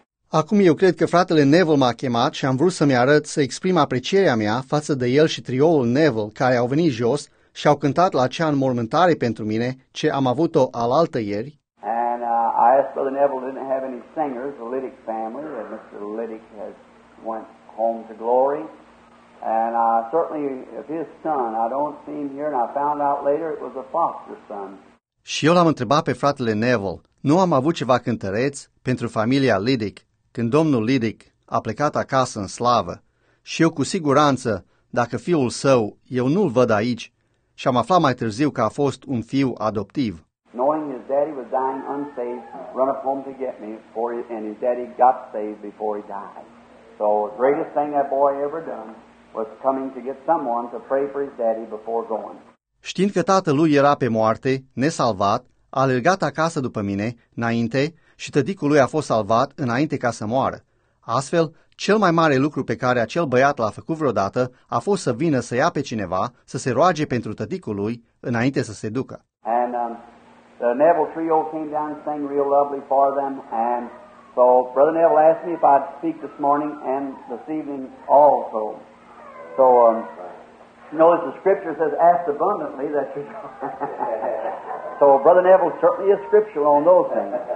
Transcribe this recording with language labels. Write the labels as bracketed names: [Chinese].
[Romanian] Acum eu cred că fratele Neville m-a chemat și am vrut să exprim aprecierea mea față de el și trioul Neville care au venit jos și au cântat la acea înmormântare pentru mine ce am avut-o alaltă ieri. [English] I asked Brother Neville didn't have any singers, the Liddick family, and Mr. Liddick has went home to glory. And certainly if his son, I don't see him here, and I found out later it was a foster son. [Romanian] Și eu l-am întrebat pe fratele Neville, nu am avut ceva cântăreț pentru familia Liddick, când domnul Liddick a plecat acasă în slavă. Și eu cu siguranță, dacă fiul său, eu nu-l văd aici, și am aflat mai târziu că a fost un fiu adoptiv. [English] Knowing his daddy was dying unsaved, run up home to get me, and his daddy got saved before he died. So the greatest thing that boy ever done was coming to get someone to pray for his daddy before going. [Romanian] Știind că tatălui era pe moarte, nesalvat, a alergat acasă după mine, înainte, și tăticul lui a fost salvat înainte ca să moară. Astfel, cel mai mare lucru pe care acel băiat l-a făcut vreodată a fost să vină să ia pe cineva să se roage pentru tăticul lui înainte să se ducă. [English] And, the Neville trio came down and sang real lovely for them, and so Brother Neville asked me if I'd speak this morning and this evening also. So, notice the scripture says, ask abundantly that you So, Brother Neville certainly is scriptural on those things.